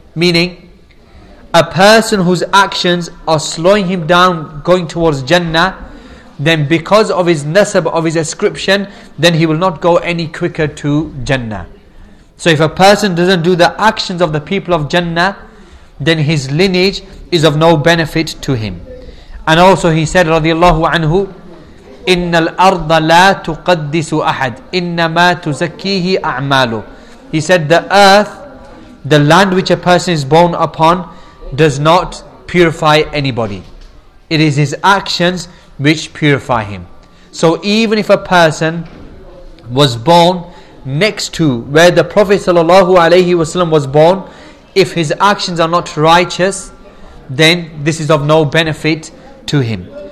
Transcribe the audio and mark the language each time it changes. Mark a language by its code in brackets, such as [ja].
[en] Meaning, a person whose actions are slowing him down going towards Jannah, then because of his nasab, of his ascription, then he will not go any quicker to Jannah. So if a person doesn't do the actions of the people of Jannah, then his lineage is of no benefit to him. And also he said, radiallahu anhu, [ar] إِنَّ الْأَرْضَ لَا تُقَدِّسُ أَحَدٍ إِنَّمَا تُزَكِّيهِ أَعْمَالُ. [en] He said, the earth, the land which a person is born upon, does not purify anybody. It is his actions which purify him. So even if a person was born next to where the Prophet sallallahu alaihi wasallam was born, if his actions are not righteous, then this is of no benefit to him.